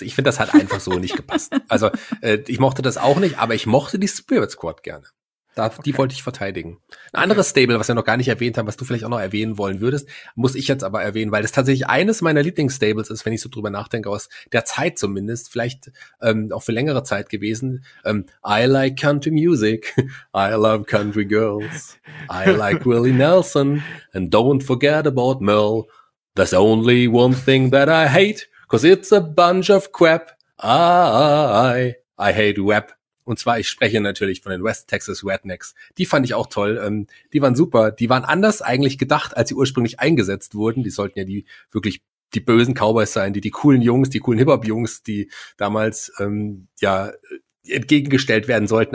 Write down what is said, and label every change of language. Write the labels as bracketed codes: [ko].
[de] Ich finde, das hat einfach so nicht gepasst. Also ich mochte das auch nicht, aber ich mochte die Spirit Squad gerne. Die wollte ich verteidigen. Ein anderes Stable, was wir noch gar nicht erwähnt haben, was du vielleicht auch noch erwähnen wollen würdest, muss ich jetzt aber erwähnen, weil das tatsächlich eines meiner Lieblingsstables ist, wenn ich so drüber nachdenke, aus der Zeit zumindest, vielleicht auch für längere Zeit gewesen. [en] I like country music, I love country girls, I like Willie Nelson, and don't forget about Merle. There's only one thing that I hate, 'cause it's a bunch of crap. I hate web. [de] Und zwar, ich spreche natürlich von den West Texas Rednecks. Die fand ich auch toll. Die waren super. Die waren anders eigentlich gedacht, als sie ursprünglich eingesetzt wurden. Die sollten ja die wirklich die bösen Cowboys sein, die coolen Jungs, die coolen Hip-Hop-Jungs, die damals ja entgegengestellt werden sollten.